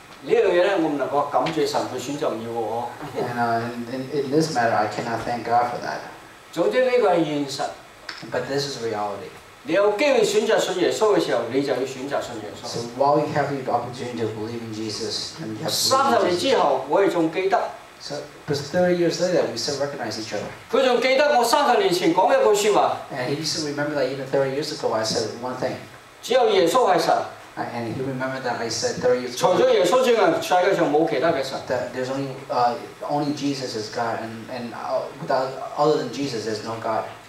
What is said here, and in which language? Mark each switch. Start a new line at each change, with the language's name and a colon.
Cantonese: 呢樣嘢咧，我唔能夠感謝神佢選擇唔要我。
English: And in this matter, I cannot thank God for that.
Cantonese: 總之呢個係現實。But
English: this is reality.
Cantonese: 你有機會選擇信耶穌嘅時候，你就要選擇信耶穌。So
English: while you have the opportunity to believe in Jesus, then you have to believe in
Cantonese: 三十年之後，我係仲記得。So
English: but 30 years later, we still recognize each other.
Cantonese: 佢仲記得我三十年前講一句説話。And
English: he still remembered that even 30 years ago, I said one thing.
Cantonese: 只有耶穌係神。
English: And he remembered that I said 30 years ago.
Cantonese: 除咗耶穌之外，世界上冇其他嘅神。
English: That there's only Jesus is God, and other than Jesus, there's no God.